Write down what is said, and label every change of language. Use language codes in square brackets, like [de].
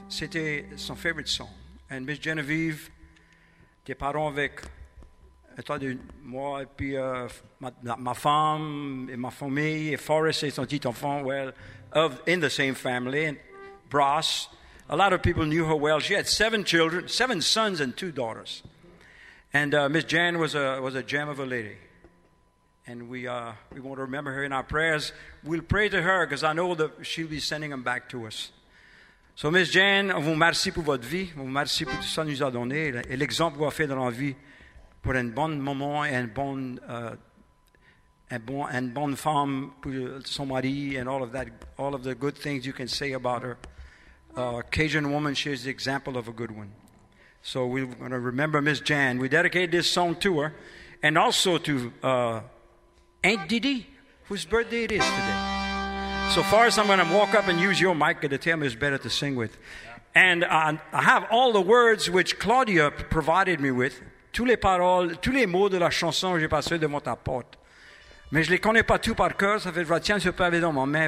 [fr] C'était son [en] favorite song. [fr] And Miss Genevieve, tes parents avec toi, de moi, et puis ma femme et ma famille, et Forrest et son petit enfant, [en] well, of, in the same family, and Brass. A lot of people knew her well. She had seven sons and two daughters. And Miss Jan was a gem of a lady. And we want to remember her in our prayers. We'll pray to her because I know that she'll be sending them back to us. [fr] So, Miss Jan, on vous remercie pour votre vie. On vous remercie pour tout ça que nous a donné et l'exemple qu'on a fait dans la vie pour un bon moment et une bonne femme pour son mari [en] and all of that, all of the good things you can say about her. Cajun woman, she is the example of a good one. So, we're going to remember Miss Jan. We dedicate this song to her and also to... Aunt Didi, whose birthday it is today. So far, I'm going to walk up and use your mic to tell me it's better to sing with. Yeah. And I have all the words which Claudia provided me with. [fr] Tous les paroles, tous les mots de la chanson que j'ai passé devant ta porte. Mais je ne les connais pas tous par cœur. Ça fait que je retiens ce pavé dans ma main.